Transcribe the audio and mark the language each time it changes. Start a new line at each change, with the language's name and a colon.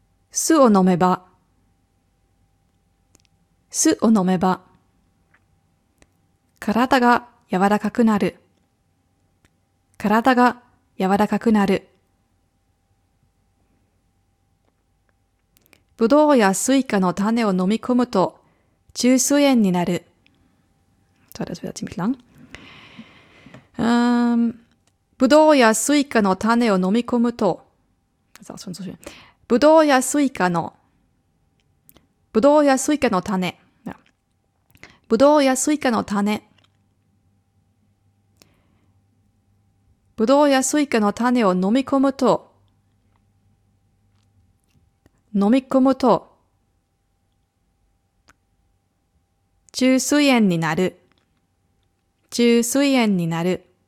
Japanese: 酢を飲めば、酢を飲めば、体が柔らかくなる。体が柔らかくなる。ぶどうやスイカの種を飲み込むと、虫垂炎になる。
German: So, das wird ziemlich lang.
Japanese: ぶどうやスイカの種を飲み込むと、
German: das ist auch schon so schön.
Japanese: ブドウやスイカの、ブドウやスイカの種、ブドウやスイカの種、ブドウやスイカの種を飲み込むと、飲み込むと、虫垂炎になる、虫垂炎になる。